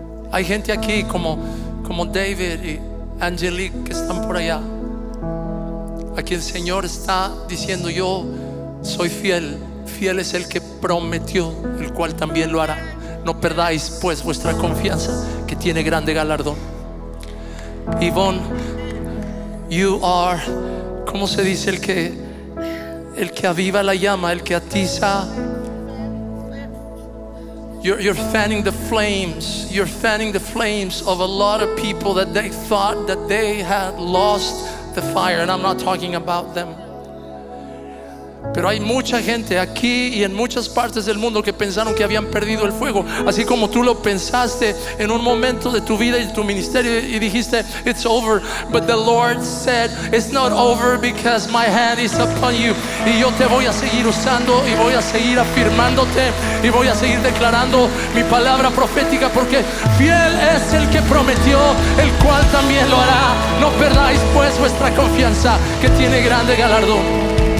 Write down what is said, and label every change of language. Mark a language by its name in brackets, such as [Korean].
[Spanish] Hay gente aquí como David y Angelique, que están por allá, a quien el Señor está diciendo: yo soy fiel, fiel es el que prometió, el cual también lo hará. No perdáis pues vuestra confianza, que tiene grande galardón. Ivonne, [English] you are, [Spanish] ¿cómo se dice? El que aviva la llama, el que atiza. [English] You're fanning the flames. You're fanning the flames of a lot of people that they thought that they had lost the fire. And I'm not talking about them. [Spanish] Pero hay mucha gente aquí y en muchas partes del mundo que pensaron que habían perdido el fuego, así como tú lo pensaste en un momento de tu vida y tu ministerio, y dijiste: [English] it's over. But the Lord said: it's not over, because my hand is upon you. [Spanish] Y yo te voy a seguir usando, y voy a seguir afirmándote, y voy a seguir declarando mi palabra profética, porque fiel es el que prometió, el cual también lo hará. No perdáis pues vuestra confianza, que tiene grande galardón.